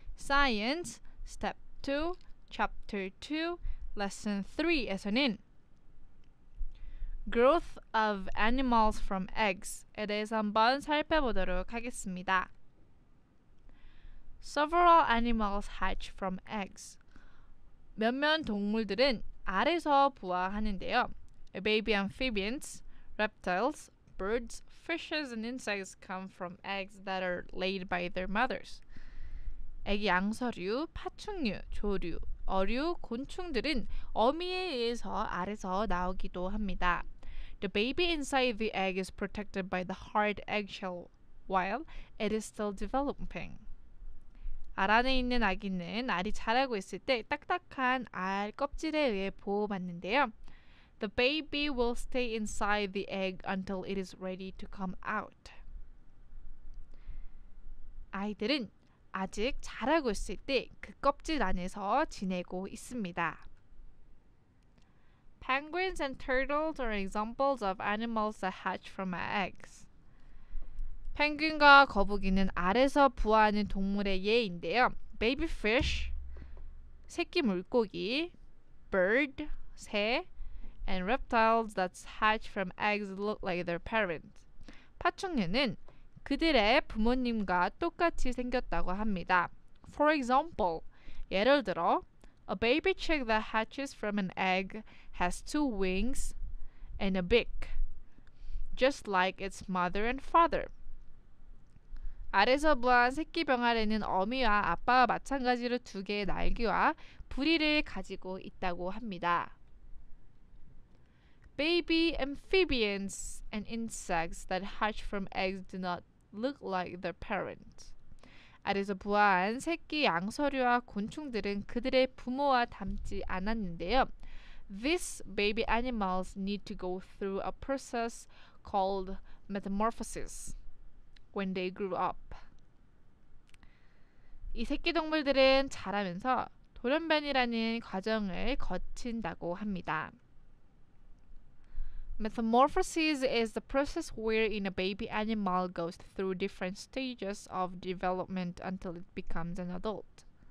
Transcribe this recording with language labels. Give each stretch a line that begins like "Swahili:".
Korean: Science Step 2, Chapter 2, Lesson 3에서는 Growth of Animals from Eggs에 대해서 한번 살펴보도록 하겠습니다.
English: Several animals hatch from eggs.
Korean: 몇몇 동물들은 알에서 부화하는데요.
English: Baby amphibians, reptiles, birds, fishes, and insects come from eggs that are laid by their mothers.
Korean: 애기 양서류, 파충류, 조류, 어류, 곤충들은 어미에 의해서 알에서 나오기도 합니다.
English: The baby inside the egg is protected by the hard eggshell while it is still developing.
Korean: 알 안에 있는 아기는 알이 자라고 있을 때 딱딱한 알 껍질에 의해 보호받는데요.
English: The baby will stay inside the egg until it is ready to come out.
Korean: 아이들은 아직 자라고 있을 때 그 껍질 안에서 지내고 있습니다.
English: Penguins and turtles are examples of animals that hatch from eggs.
Korean: 펭귄과 거북이는 알에서 부화하는 동물의 예인데요.
English: Baby fish,
Korean: 새끼 물고기,
English: bird,
Korean: 새,
English: and reptiles that hatch from eggs look like their parents.
Korean: 파충류는 그들의 부모님과 똑같이 생겼다고 합니다.
English: For example,
Korean: 예를 들어,
English: A baby chick that hatches from an egg has two wings and a beak, just like its mother and father.
Korean: 알에서 부화한 새끼 병아리는 어미와 아빠와 마찬가지로 두 개의 날개와 부리를 가지고 있다고 합니다.
English: Baby amphibians and insects that hatch from eggs do not look like their parents.
Korean: 알에서 부화한 새끼 양서류와 곤충들은 그들의 부모와 닮지 않았는데요.
English: These baby animals need to go through a process called metamorphosis when they grew up.
Korean: 이 새끼 동물들은 자라면서 돌연변이라는 과정을 거친다고 합니다.
English: Metamorphosis is the process wherein a baby animal goes through different stages of development until it becomes an adult.